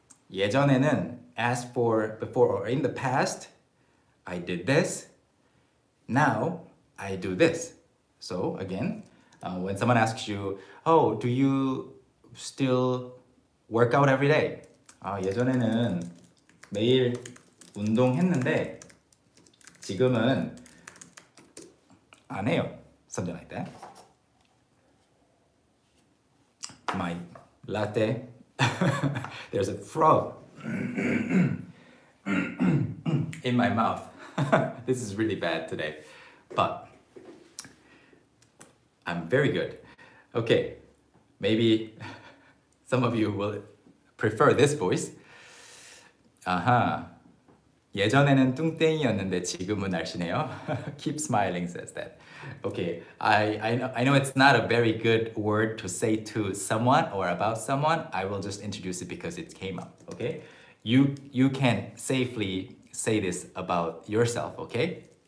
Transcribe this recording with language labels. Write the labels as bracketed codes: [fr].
[ko] 예전에는 [en] as for before or in the past, I did this. Now I do this. So again, when someone asks you, oh, do you still work out every day? [ko] 아, 예전에는 매일 운동했는데 지금은 안 해요. [en] Something like that. My latte. There's a frog in my mouth. This is really bad today, but I'm very good. Okay, maybe some of you will prefer this voice. Uh-huh. [ko] 예전에는 뚱땡이였는데 지금은 날씬해요. [en] Keep smiling says that. Okay, I know it's not a very good word to say to someone or about someone. I will just introduce it because it came up, okay? You can safely say this about yourself, okay?